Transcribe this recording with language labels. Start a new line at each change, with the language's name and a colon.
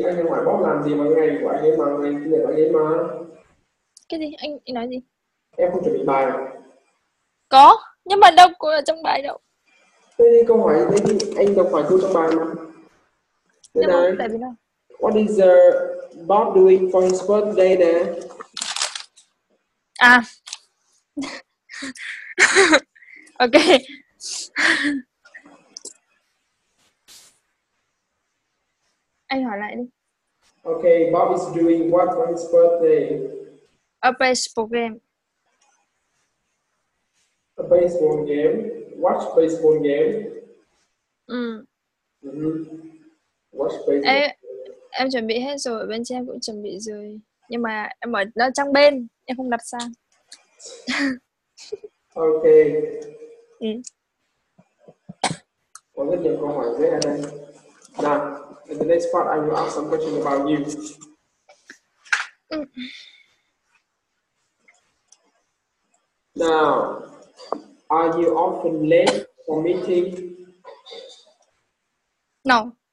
Vietnamese: Anh ở ngoài Bob làm gì mà ngày của anh ấy mà ngày kia của anh ấy mà. Cái gì? Anh nói gì? Em không chuẩn bị bài à? Có, nhưng mà đâu có ở trong bài đâu. Thế thì câu hỏi thế thì anh đọc phải thu trong bài mà. Thế này, tại vì đâu?
English: What is Bob doing for his birthday there? À. Ok.
Vietnamese: Anh hỏi lại đi.
English: Ok, Bob is doing what for his birthday? A baseball game. A baseball game? Watch baseball game? Watch baseball game?
Vietnamese: Em chuẩn bị hết rồi, bên trên em cũng chuẩn bị rồi. Nhưng mà em ở nó trong bên, em không đặt sang. Ok. Ừ. Có rất nhiều câu hỏi dễ ở đây.
English: Now, in the next part I will ask some questions about you. Now, are you often late for meeting? No.